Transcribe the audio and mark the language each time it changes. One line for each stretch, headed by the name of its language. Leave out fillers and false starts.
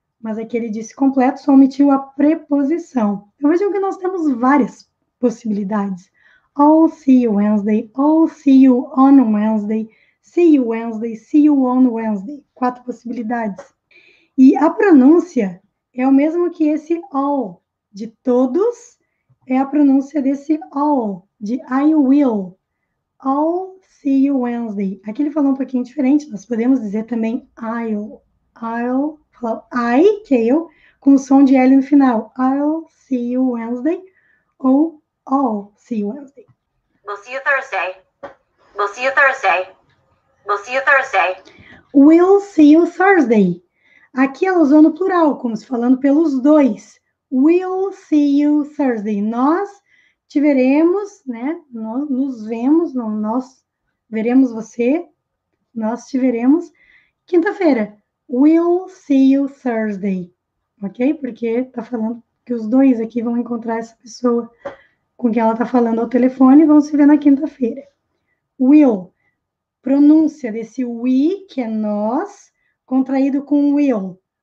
Portuguese: Mas aquele disse completo só omitiu a preposição. Então vejam que nós temos várias possibilidades.
English: I'll see you Wednesday. I'll see you on Wednesday. See you Wednesday. See you on Wednesday.
Portuguese: Quatro possibilidades. E a pronúncia é o mesmo que esse all de todos, é a pronúncia desse all de I will.
English: I'll see you Wednesday.
Portuguese: Aqui ele falou um pouquinho diferente, nós podemos dizer também I'll. Falar I, que é eu, com o som de L no final.
English: I'll see you Wednesday. Ou I'll see you Wednesday. We'll see you Thursday. We'll see you Thursday. We'll see you Thursday. We'll see you Thursday.
Portuguese: Aqui ela usou no plural, como se falando pelos dois.
English: We'll see you Thursday.
Portuguese: Nós te veremos, né? Nós nos vemos, não, nós veremos você. Nós te veremos quinta-feira.
English: We'll see you Thursday, ok?
Portuguese: Porque tá falando que os dois aqui vão encontrar essa pessoa com quem ela tá falando ao telefone e vão se ver na quinta-feira. Will, pronúncia desse we, que é nós, contraído com will.